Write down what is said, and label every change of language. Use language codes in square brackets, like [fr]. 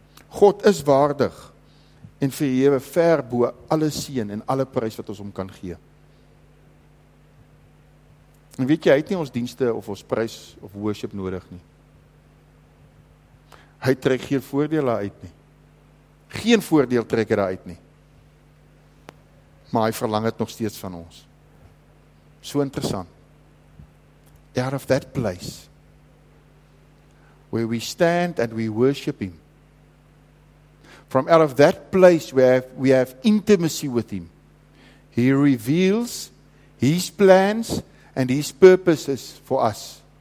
[af] God is waardig en verhewe ver bo alle seën en alle prys wat ons hom kan gee. En weet jy, hy het nie ons dienste of ons prys of worship nodig nie. Hy trek geen voordele uit nie. Geen voordeel trek hy uit nie. Maar hy verlang het nog steeds van ons. So interessant. [en] Out of that place where we stand and we worship him. From out of that place where we have intimacy with him, he reveals his plans and his purposes for us.